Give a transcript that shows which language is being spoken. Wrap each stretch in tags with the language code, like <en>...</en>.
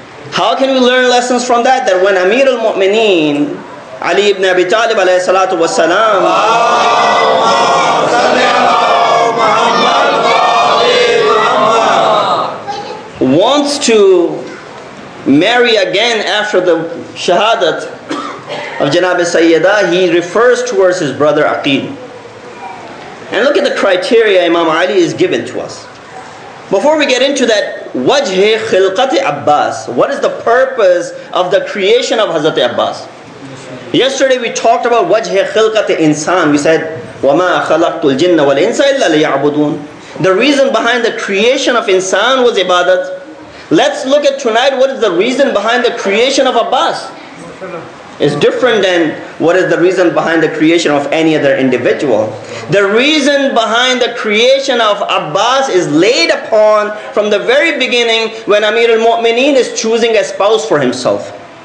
<en>How can we learn lessons from that? That when Amir al-Mu'mineen, Ali ibn Abi Talib alayhi salatu wa salam, wants to marry again after the shahadat of Janabi Sayyidah, he refers towards his brother Aqil. And look at the criteria Imam Ali is given to us. Before we get into that, wajhi khilqati Abbas, what is the purpose of the creation of Hazrat Abbas? Yesterday we talked about wajhi khilqati insan.</en> <ar>We said, وَمَا خَلَقْتُ الْجِنَّ وَالْإِنسَ إِلَّا لِيَعْبُدُونَ.</ar> <en>The reason behind the creation of insan was ibadat. Let's look at tonight, what is the reason behind the creation of Abbas? It's different than what is the reason behind the creation of any other individual. The reason behind the creation of Abbas is laid upon from the very beginning when Amir al-Mu'mineen is choosing a spouse for himself.</en>